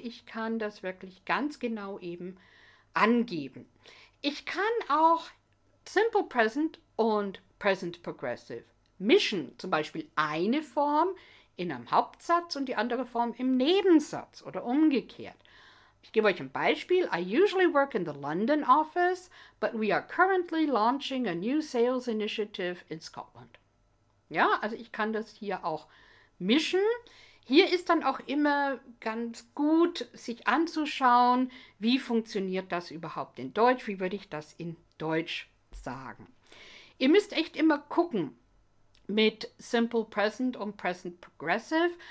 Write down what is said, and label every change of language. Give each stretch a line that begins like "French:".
German: Ich kann das wirklich ganz genau eben angeben. Ich kann auch Simple Present und Present Progressive mischen, zum Beispiel eine Form in einem Hauptsatz und die andere Form im Nebensatz oder umgekehrt. Ich gebe euch ein Beispiel.
English: I usually work in the London office, but we are currently launching a new sales initiative in Scotland.
German: Ja, also ich kann das hier auch mischen. Hier ist dann auch immer ganz gut, sich anzuschauen, wie funktioniert das überhaupt in Deutsch? Wie würde ich das in Deutsch sagen? Ihr müsst echt immer gucken mit Simple Present und Present Progressive.